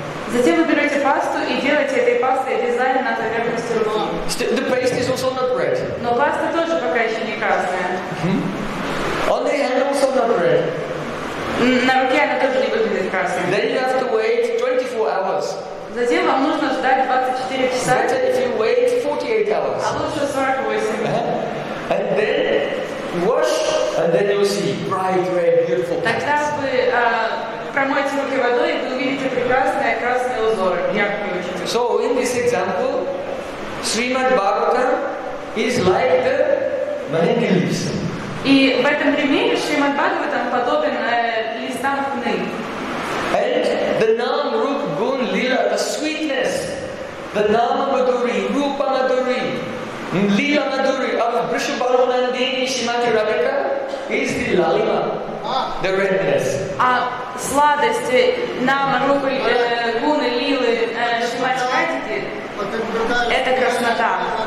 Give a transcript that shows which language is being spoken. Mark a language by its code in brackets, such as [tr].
[ru] Затем вы берете пасту и делаете этой пастой дизайн на поверхности руки. [en] The paste is also not red. [ru] Но паста тоже пока еще не красная. [en] On the hand also not red. [ru] На руке она тоже не выглядит красной. [en] Then you have to wait 24 hours. [ru] Затем вам нужно ждать 24 часа. [en] Better if you wait 48 hours. [ru] А лучше 48. [en] And then wash and then you see bright red, beautiful. [ru] Тогда вы промойте руки водой и вы увидите прекрасные красные узоры, яркие очень. [en] So in this example, Srimad Bhagavatam is like the mahindi leaves. [ru] И в этом примере Шримад Бхагаватам подобен листам хны. [en] And the Nam Rup Gun Lila, the sweetness, the Nama Madhuri, Rupa Madhuri, Lila Madhuri of Vrishabhanu Nandini Srimati Radhika is the Lalima, the redness. [ru] Сладость Нама Рупы Гуны Лилы Шимати Радхики – это краснота.